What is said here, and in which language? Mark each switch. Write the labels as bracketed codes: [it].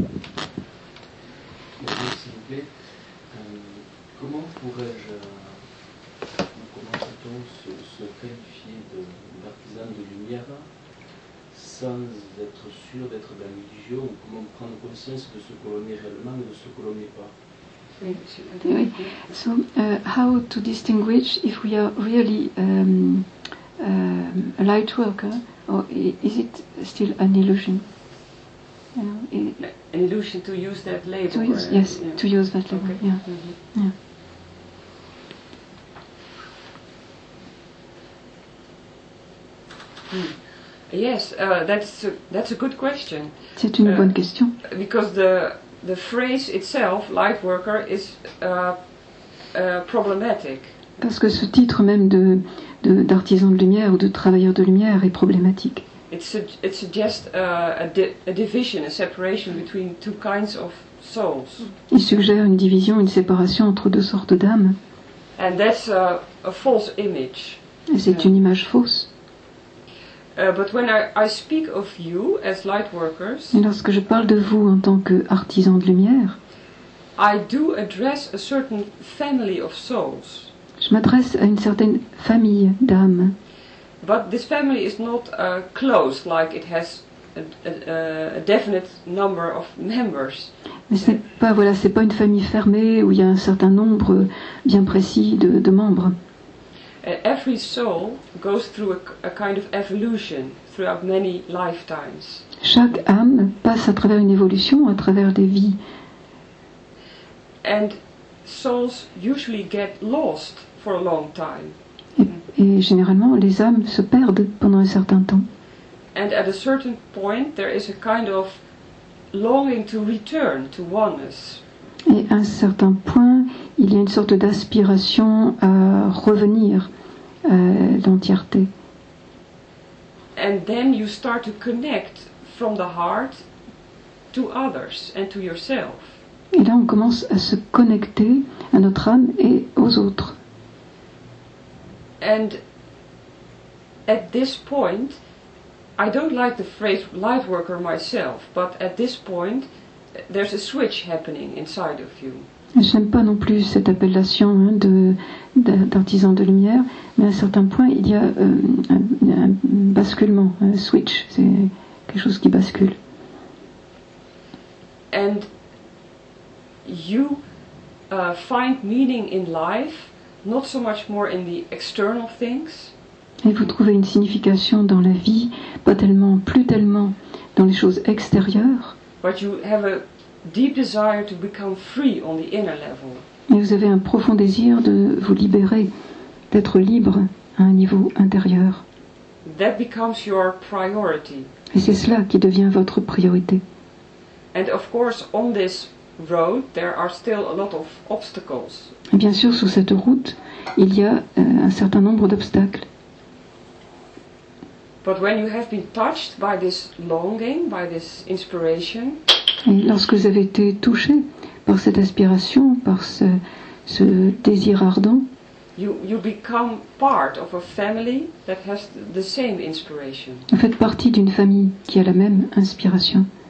[fr] S'il vous plaît, comment pourrais-je, comment peut-on se qualifier de d'artisan de lumière sans être sûr d'être dans l'illusion, ou comment prendre conscience de ce que l'on est réellement et de ce que l'on n'est pas? Oui. [en] So, how to distinguish if we are really a light worker, or is it still an illusion? An illusion to use that label. To use that label. Okay. Yeah. Mm-hmm. Yeah. Hmm. Yes, that's a good question. [fr] C'est une bonne question. [en] Because the phrase itself, light worker, is problematic. [fr] Parce que ce titre même de d'artisan de lumière ou de travailleur de lumière est problématique. [en] It suggests a division, a separation between two kinds of souls. [fr] Il suggère une division, une séparation entre deux sortes d'âmes. [en] And that's a false image. [fr] Et c'est une image fausse. [en] But when I speak of you as light workers, [fr] et lorsque je parle de vous en tant que artisans de lumière, [en] I do address a certain family of souls. [fr] Je m'adresse à une certaine famille d'âmes. [en] But this family is not closed, like it has a definite number of members. [fr] Mais ce n'est pas, voilà, c'est pas une famille fermée où il y a un certain nombre bien précis de membres. [en] Every soul goes through a kind of evolution throughout many lifetimes. [fr] Chaque âme passe à travers une évolution, à travers des vies. [en] And souls usually get lost for a long time. [fr] Et généralement, les âmes se perdent pendant un certain temps. [en] And at a certain point, there is a kind of longing to return to oneness. [fr] Et à un certain point, il y a une sorte d'aspiration à revenir à l'entièreté. [en] And then you start to connect from the heart to others and to yourself. [fr] Et là, on commence à se connecter à notre âme et aux autres. [en] And at this point, I don't like the phrase "life worker" myself, but at this point, there's a switch happening inside of you. [fr] J'aime pas non plus cette appellation hein, d'artisan de lumière, mais à un certain point, il y a un basculement, un switch, c'est quelque chose qui bascule. [en] And you find meaning in life, not so much more in the external things. [fr] Et vous trouvez une signification dans la vie, pas tellement, plus tellement dans les choses extérieures. [en] But you have a deep desire to become free on the inner level. [fr] Et vous avez un profond désir de vous libérer, d'être libre à un niveau intérieur. [en] That becomes your priority. [fr] Et c'est cela qui devient votre priorité. [en] And of course, on this road, there are still a lot of obstacles. [fr] Bien sûr, sur cette route, il y a un certain nombre d'obstacles. [en] But when you have been touched by this longing, by this inspiration, [fr] et lorsque vous avez été touché par cette aspiration, par ce désir ardent, [en] you become part of a family that has the same inspiration. [fr] Vous faites partie d'une famille qui a la même inspiration.